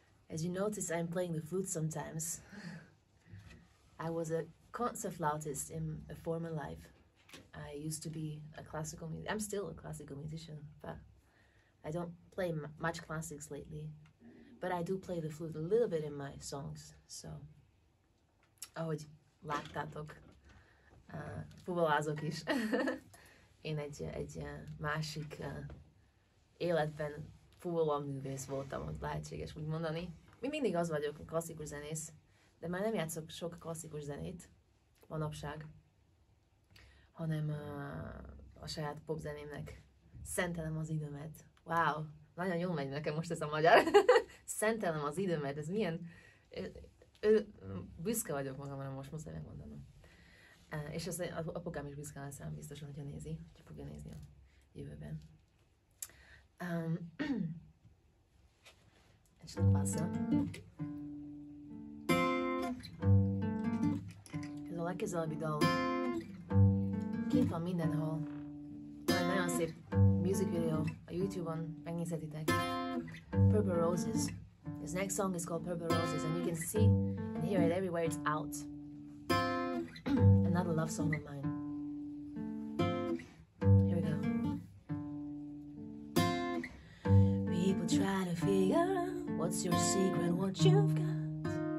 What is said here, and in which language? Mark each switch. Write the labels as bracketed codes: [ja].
[en] As you notice, I'm playing the flute sometimes. I was a concert flautist in a former life. I used to be a classical musician. I'm still a classical musician, but I don't play much classics lately. But I do play the flute a little bit in my songs. [hu] So, oh, láttátok, fuvolázok is. Én egy másik életben fuvola művész voltam, hogy lehetséges úgy mondani. Mi mindig az vagyok, klasszikus zenész, de már nem játszok sok klasszikus zenét manapság, hanem a saját popzenémnek szentelem az időmet. Wow, nagyon jól megy nekem most ez a magyar. Szentelem az időmet, ez milyen... büszke vagyok magamra most, muszáj megmondanom. És az apukám is büszke lesz, biztosan, hogyha nézi, hogy fogja nézni a jövőben. És a passzom. Ez a legközelebbi dal. Kint van mindenhol. Van egy nagyon szép music video a YouTube-on, megnézhetitek. Purple Roses. [en] His next song is called Purple Roses, and you can see and hear it everywhere, it's out. Another love song of mine. Try to figure out what's your secret, what you've got.